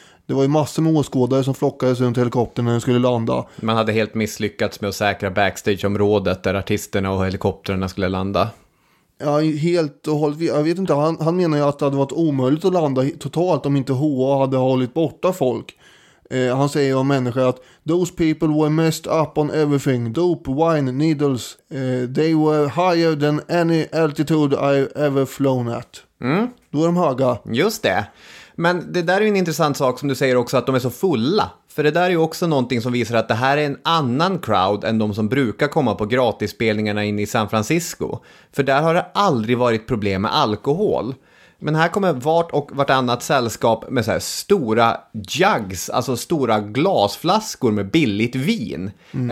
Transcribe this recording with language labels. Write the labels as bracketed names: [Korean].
[Swedish] Det var ju massor med åskådare som flockades runt helikoptern när den skulle landa. Man hade helt misslyckats med att säkra backstageområdet där artisterna och helikopterna skulle landa. Ja, helt och hållet. Jag vet inte, han menar ju att det hade varit omöjligt att landa totalt om inte HA hade hållit borta folk. Han säger om människor att [English] those people were messed up on everything. Dope, wine, needles. They were higher than any altitude I've ever flown at. Mm. [Swedish] Då är de höga. Just det. Men det där är ju en intressant sak som du säger också, att de är så fulla. För det där är ju också någonting som visar att det här är en annan crowd än de som brukar komma på gratisspelningarna in i San Francisco. För där har det aldrig varit problem med alkohol. Men här kommer vart och vartannat sällskap med så här stora jugs, alltså stora glasflaskor med billigt vin. Mm.